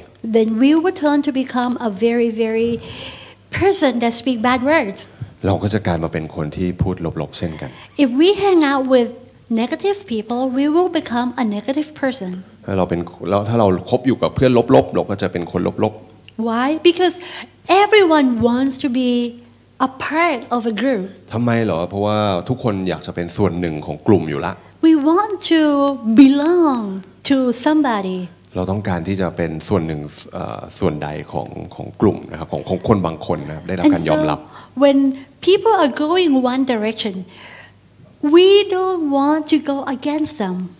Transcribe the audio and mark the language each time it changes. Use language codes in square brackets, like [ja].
[en] ๆ then we will turn to become a very, very person that speak bad words. [th] เราก็จะกลายมาเป็นคนที่พูดลบๆเช่นกัน [en] If we hang out with negative people, we will become a negative person. [th] ถ้าเราคบอยู่กับเพื่อนลบๆเราก็จะเป็นคนลบ [en] ๆ Why? Because everyone wants to be a part of a group. [th] ทำไมเหรอเพราะว่าทุกคนอยากจะเป็นส่วนหนึ่งของกลุ่มอยู่ละ [en] We want to belong to somebody. [th] เราต้องการที่จะเป็นส่วนหนึ่งส่วนใดของกลุ่มนะครับของคนบางคนนะครับได้รับการยอมรับ [en] When people are going one direction, we don't want to go against them.